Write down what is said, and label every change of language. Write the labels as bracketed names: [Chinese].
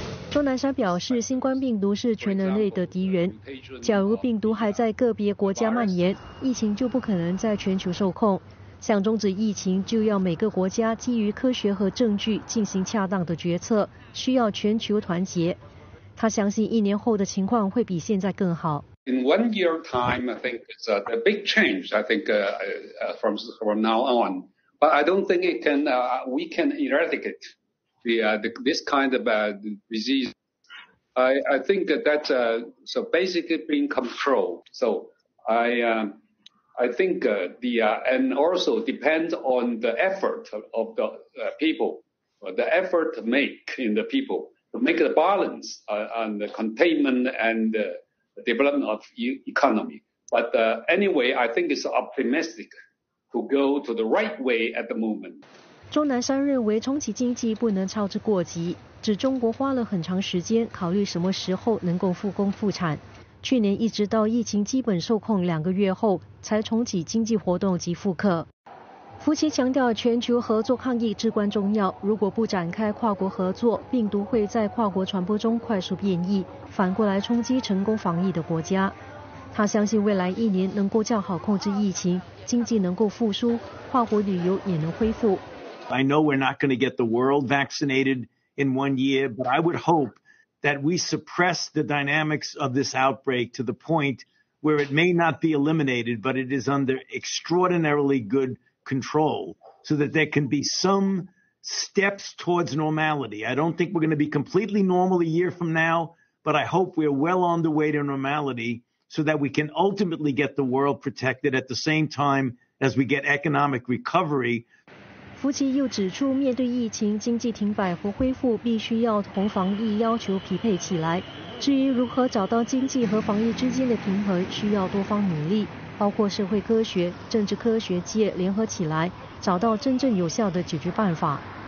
[Chinese] 钟南山表示，新冠病毒是全人类的敌人，假如病毒还在个别国家蔓延，疫情就不可能在全球受控。想终止疫情，就要每个国家基于科学和证据进行恰当的决策，需要全球团结。他相信一年后的情况会比现在更好。 [English] In 1 year time, I think it's a big change. I think from now on, but I don't think we can eradicate. This kind of disease. I think that so basically being controlled. So I think and also depends on the effort of the people, the effort to make in the people, to make the balance on the containment and the development of economy. But anyway, I think it's optimistic to go to the right way at the moment. [Chinese] 钟南山认为，重启经济不能操之过急，指中国花了很长时间考虑什么时候能够复工复产。去年一直到疫情基本受控2个月后，才重启经济活动及复课。福奇强调，全球合作抗疫至关重要，如果不展开跨国合作，病毒会在跨国传播中快速变异，反过来冲击成功防疫的国家。他相信未来一年能够较好控制疫情，经济能够复苏，跨国旅游也能恢复。 [English] I know we're not going to get the world vaccinated in 1 year, but I would hope that we suppress the dynamics of this outbreak to the point where it may not be eliminated, but it is under extraordinarily good control so that there can be some steps towards normality. I don't think we're going to be completely normal a year from now, but I hope we're well on the way to normality so that we can ultimately get the world protected at the same time as we get economic recovery. [Chinese] 福奇又指出，面对疫情，经济停摆和恢复必须要同防疫要求匹配起来。至于如何找到经济和防疫之间的平衡，需要多方努力，包括社会科学、政治科学界联合起来，找到真正有效的解决办法。